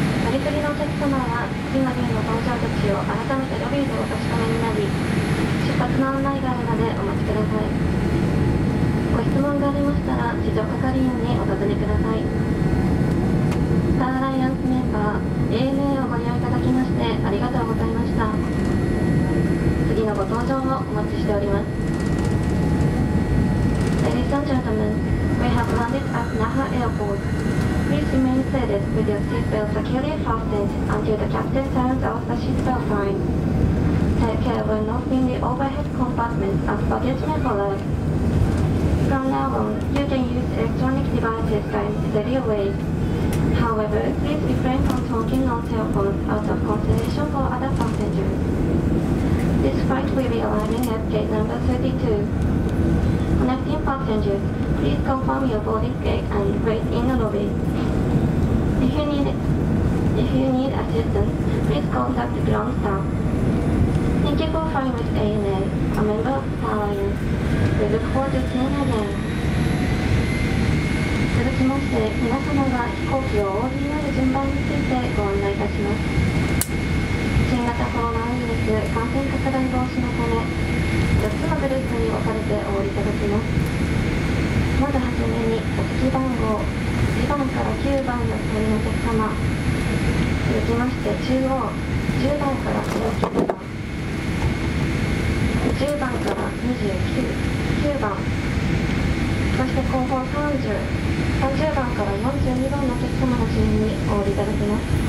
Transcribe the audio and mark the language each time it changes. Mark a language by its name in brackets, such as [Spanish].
[Japanese] 乗り継ぎのお客様は次の便の搭乗口を改めてロビーでお確かめになり、出発の案内があるまでお待ちください。ご質問がありましたら地上係員にお尋ねください。スターアライアンスメンバー ANA をご利用いただきましてありがとうございました。次のご搭乗をお待ちしております。 [English] Ladies and gentlemen, we have landed at Naha Airport. Please remain seated with your seatbelt securely fastened until the captain turns off the seatbelt sign. Take care when opening the overhead compartment as baggage may follow. From now on, you can use electronic devices in steady way. However, please refrain from talking on cell phones out of consideration for other passengers. This flight will be arriving at gate number 32. Connecting passengers, please confirm your boarding gate and wait in the lobby. If you need assistance, please contact the ground staff. Thank you for flying with ANA, a member of Star Alliance. We look forward to seeing you again. [Japanese] 続きまして、皆様が飛行機をお降りになる順番についてご案内いたします。新型コロナウイルス感染拡大防止のため、4つのグループに分かれてお降りいただきます。まずはじめにお席番号1番から9番の隣のお客様、続きまして中央10番から19番、10番から29番、そして後方30番から42番のお客様の順にお降りいただきます。